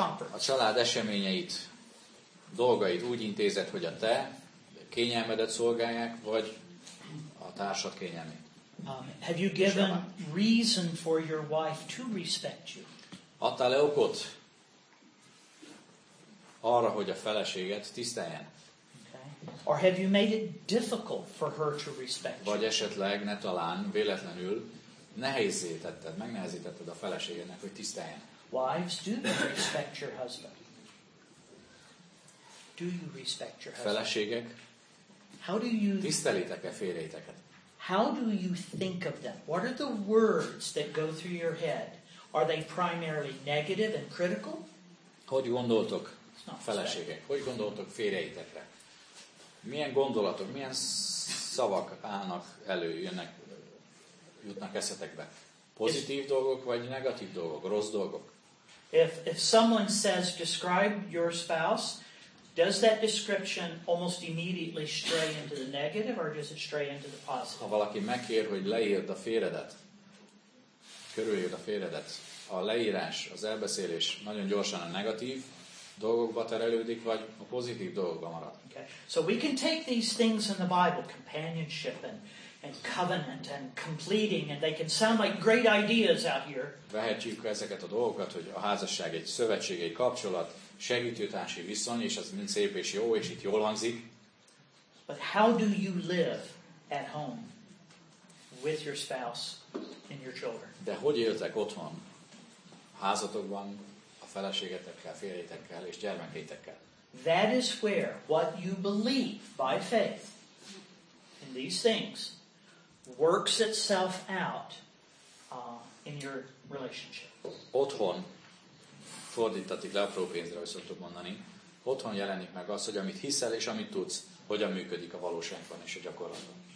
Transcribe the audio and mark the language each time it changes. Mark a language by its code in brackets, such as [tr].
[hu] A család eseményeit, dolgait úgy intézed, hogy a te kényelmedet szolgálják, vagy a társad kényelmét. [en] Have you given reason for your wife to respect you? [hu] Adtál-e okot arra, hogy a feleséget tiszteljen? [en] Okay. Or have you made it difficult for her to respect you? [hu] Vagy esetleg, ne talán, véletlenül megnehezítetted a feleségednek, hogy tiszteljen. [en] Wives, do you respect your husband? Do you respect your husband? [hu] Feleségek, [en] how do you [hu] tisztelitek-e férjeiteket? [en] How do you think of them? What are the words that go through your head? Are they primarily negative and critical? [hu] Hogy gondoltok, feleségek? Hogy gondoltok férjeitekre? Milyen gondolatok, milyen szavak állnak elő, jutnak eszetekbe? Pozitív dolgok vagy negatív dolgok, rossz dolgok? [en] If someone says describe your spouse, does that description almost immediately stray into the negative or does it stray into the positive? [hu] Ha valaki megkér, hogy leírd a férjedet, körüljöd a férjedet, a leírás, az elbeszélés nagyon gyorsan a negatív dolgokba terelődik, vagy a pozitív dolgokba marad. [en] Okay. So we can take these things in the Bible, companionship and and covenant and completing, and they can sound like great ideas out here. [hu] Vehetjük ezeket a dolgokat, hogy a házasság egy szövetség, egy kapcsolat, segítőtársi viszony, és ez mind szép és jó, és itt jól hangzik. [en] But how do you live at home with your spouse and your children? [hu] De hogy éltek otthon, házatokban, a feleségetekkel, férjétekkel és gyermekeitekkel? [en] That is where what you believe by faith in these things works itself out in your relationship. [hu] Otthon, fordítatik le apró pénzre, hogy szoktuk mondani, otthon jelenik meg az, hogy amit hiszel és amit tudsz, hogyan működik a valóságban és a gyakorlatban.